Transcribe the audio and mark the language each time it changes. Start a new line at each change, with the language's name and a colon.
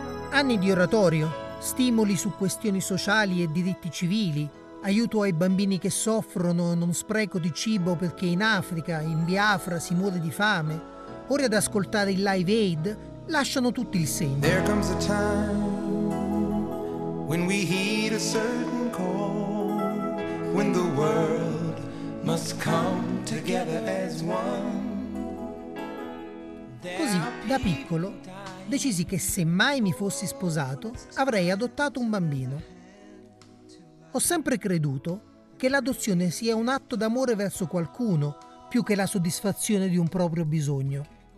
Italian: Anni di oratorio, stimoli su questioni sociali e diritti civili, aiuto ai bambini che soffrono, non spreco di cibo perché in Africa, in Biafra, si muore di fame, ore ad ascoltare il Live Aid, lasciano tutti il segno.
English: There comes a time when we heed a certain call, when the world must come together as one.
Italian: Così, da piccolo, decisi che se mai mi fossi sposato, avrei adottato un bambino. Ho sempre creduto che l'adozione sia un atto d'amore verso qualcuno, più che la soddisfazione di un proprio bisogno.